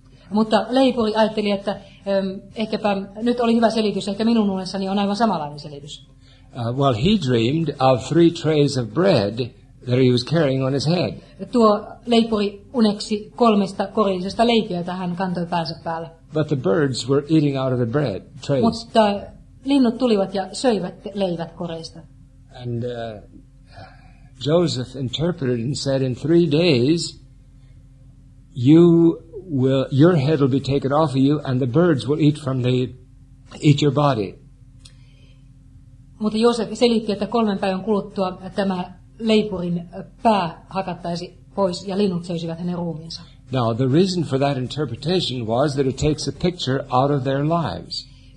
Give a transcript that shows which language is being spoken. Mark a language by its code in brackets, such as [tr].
[fi] Mutta leipuri ajatteli, että ehkäpä nyt oli hyvä selitys, ehkä minun unessani on aivan samanlainen selitys. [en] Well, he dreamed of 3 trays of bread that he was carrying on his head. [fi] Tuo leipuri uneksi 3 korillisesta leipiä, jota hän kantoi päänsä päällä. [en] But the birds were eating out of the bread trays. [fi] Mutta linnut tulivat ja söivät leivät koreista. [en] And Joseph interpreted and said, in 3 days, your head will be taken off of you and the birds will eat your body. [fi] Mutta Joosef selitti, että 3 päivän kuluttua tämä leipurin pää hakattaisi pois ja linnut söisivät hänen ruumiinsa. [en] Now, the reason for that interpretation was that it takes a picture out of their lives.